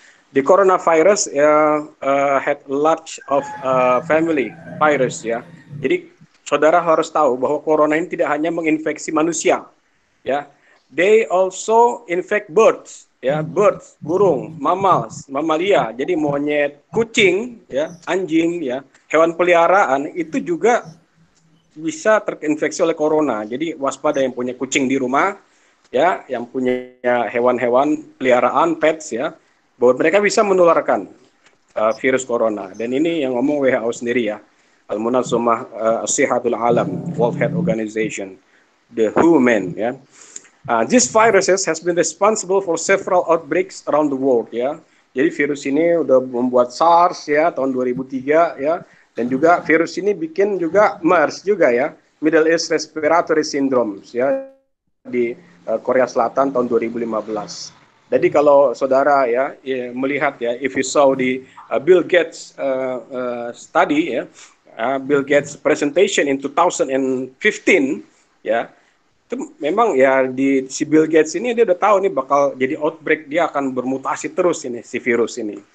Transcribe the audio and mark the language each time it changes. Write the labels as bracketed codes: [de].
[en] The coronavirus had large of family virus ya. [id] Jadi saudara harus tahu bahwa corona ini tidak hanya menginfeksi manusia ya. [en] They also infect birds ya, birds, burung, mammals, mamalia. [id] Jadi monyet, kucing ya, anjing ya, hewan peliharaan itu juga bisa terinfeksi oleh corona. Jadi waspada yang punya kucing di rumah ya, yang punya hewan-hewan peliharaan, pets ya, bahwa mereka bisa menularkan virus corona. Dan ini yang ngomong WHO sendiri ya, Al-Munazzamah Sihatul Alam, World Health Organization, [en] the human [id] ya. [en] These viruses has been responsible for several outbreaks around the world ya. [id] Jadi virus ini udah membuat SARS ya tahun 2003 ya, dan juga virus ini bikin juga MERS juga ya, Middle East Respiratory Syndromes ya, di Korea Selatan tahun 2015. Jadi kalau saudara ya, ya melihat ya, [en] if you saw the Bill Gates study ya, Bill Gates presentation in 2015 [id] ya, itu memang ya di si Bill Gates ini dia udah tahu nih bakal jadi outbreak, dia akan bermutasi terus ini si virus ini.